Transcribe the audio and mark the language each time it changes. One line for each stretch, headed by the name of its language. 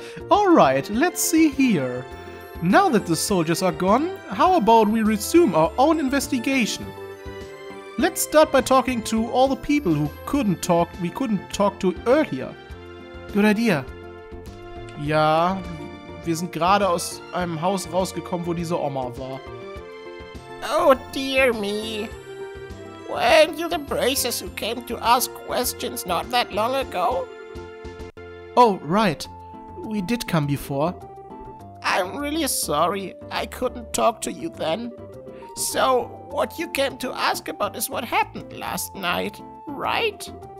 English: Alright, let's see here. Now that the soldiers are gone, how about we resume our own investigation? Let's start by talking to all the people who we couldn't talk to earlier. Good idea.
German: Ja, wir sind gerade aus einem Haus rausgekommen, wo diese Oma war.
English: Oh dear me. Weren't you the braces who came to ask questions not that long ago? Oh, right. We did come before. I'm really sorry. I couldn't talk to you then. So, what you came to ask about is what happened last night, right?